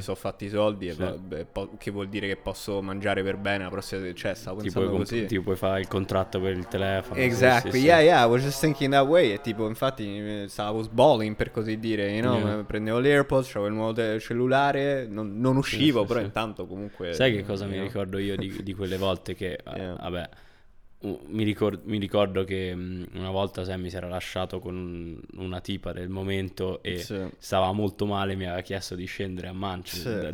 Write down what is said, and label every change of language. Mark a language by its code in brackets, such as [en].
[it] sono fatti i soldi che vuol dire che posso mangiare per bene la prossima, cioè stavo ti pensando così. Ti puoi fare il contratto per il telefono. Esatto, [en] yeah, I was just thinking that way. [it] E tipo infatti stavo sballing, per così dire, prendevo l'AirPods, c'avevo il nuovo cellulare, non uscivo, però intanto comunque... Sai che cosa mi ricordo io di quelle volte che, vabbè... Mi ricordo che una volta Sammy si era lasciato con una tipa del momento e stava molto male, mi aveva chiesto di scendere a Manchester,